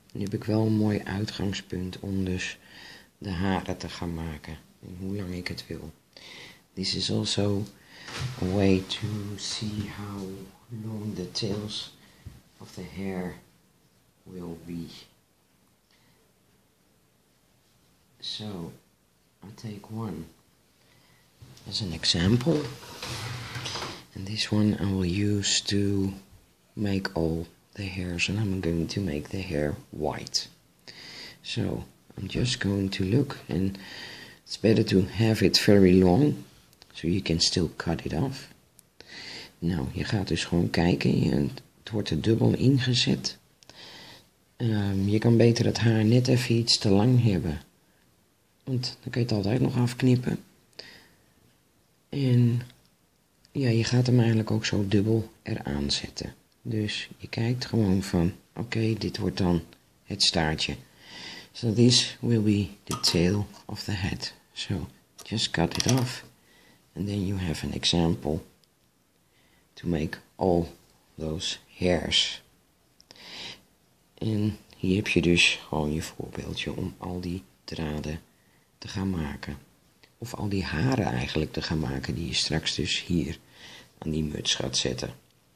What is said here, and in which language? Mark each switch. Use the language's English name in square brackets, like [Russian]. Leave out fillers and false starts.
[Dutch] Nu heb ik wel een mooi uitgangspunt om dus de haren te gaan maken. En hoe lang ik het wil. [English] This is also a way to see how long the tails of the hair will be. So, I take one as an example. And this one I will use to make all the hairs, and I'm going to make the hair white. So I'm just going to look, and it's better to have it very long so you can still cut it off. [Dutch] Nou, je gaat dus gewoon kijken, het wordt er dubbel ingezet. Je kan beter het haar net even iets te lang hebben, want dan kan je het altijd nog afknippen. En ja, je gaat hem eigenlijk ook zo dubbel eraan zetten. Dus je kijkt gewoon van, oké, dit wordt dan het staartje. [English] So this will be the tail of the head. So just cut it off and then you have an example to make all those hairs. [Dutch] En hier heb je dus gewoon je voorbeeldje om al die draden te gaan maken. Of al die haren eigenlijk te gaan maken die je straks dus hier aan die muts gaat zetten.